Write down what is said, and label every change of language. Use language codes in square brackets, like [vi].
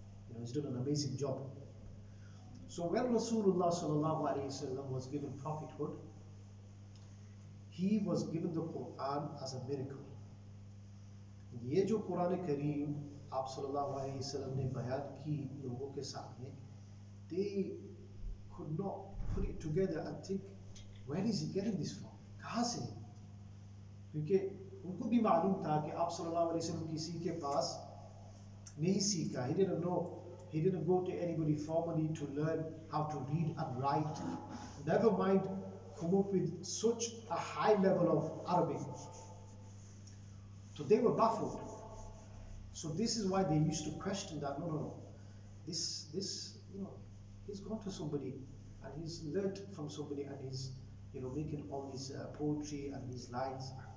[en] You know, he's done an amazing job. So when Rasulullah sallallahu alayhi wa sallam was given prophethood, he was given the Quran as a miracle. [hi] ये जो कुरान करीम आप सल्लल्लाहु अलैहि वसल्लम ने बयान की लोगों के सामने, [en] they could not put it together and think, where is he getting this from? [hi] कहाँ से? क्योंकि उनको भी मालूम था कि आप सल्लल्लाहु अलैहि वसल्लम किसी के पास नहीं सीखा. [en] He didn't know, he didn't go to anybody formally to learn how to read and write. Never mind come up with such a high level of Arabic. So they were baffled. So this is why they used to question that, no. This, you know, he's gone to somebody and he's learnt from somebody and he's, you know, making all these poetry and these lines.